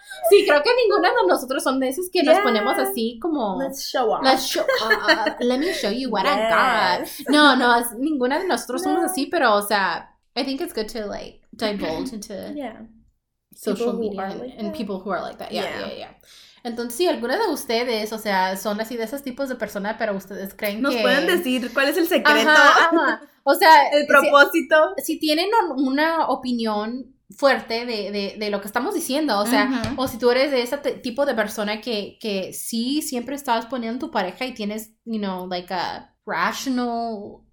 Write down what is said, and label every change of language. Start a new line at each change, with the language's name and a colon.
Spanish: Sí, creo que ninguna de nosotros son de esos que nos ponemos así como...
English: Let's show off. Let me show you what I got.
Spanish: No, ninguna de nosotros somos así, pero, o sea,
English: I think it's good to, like, divulge into social media and people who are like that. Yeah.
Spanish: Entonces, sí, alguna de ustedes, o sea, son así de esos tipos de personas, pero ustedes creen nos que... Nos pueden decir cuál es el secreto. Ajá. O sea... el propósito. Si tienen una opinión fuerte de lo que estamos diciendo, o sea, uh-huh. O si tú eres de ese tipo de persona que sí siempre estás poniendo tu pareja y tienes,
English: you know, like a rational...